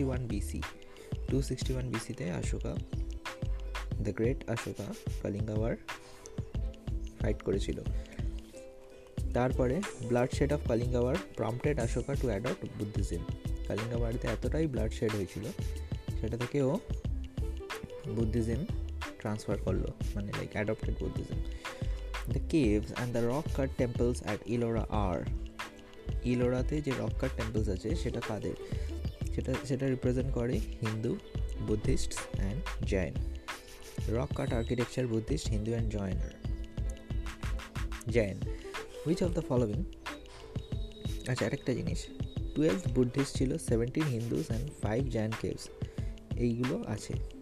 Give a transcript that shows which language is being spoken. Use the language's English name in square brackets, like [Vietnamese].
[English] 261 BC তে Ashoka, the great Ashoka Kalinga war fight করেছিল। তারপরে bloodshed of Kalinga war prompted Ashoka to adopt Buddhism. [Bangla] Kalinga ওয়ারতে এতটাই ব্লাডশেড হয়েছিল সেটা থেকেও বুদ্ধিজম ট্রান্সফার করলো, মানে [English] Like adopted Buddhism. The caves and the rock cut temples at Ellora are, [Bangla] ইলোরাতে যে রক কাট টেম্পলস আছে সেটা কাদের? সেটা রিপ্রেজেন্ট করে Hindu, Buddhist and Jain. [English] Rock cut architecture Buddhist Hindu and Jain. Which of the following, [Bangla] আচ্ছা আরেকটা জিনিস, [English] 12 Buddhist ছিল, 17 Hindus and 5 Jain caves, [Bangla] এইগুলো আছে।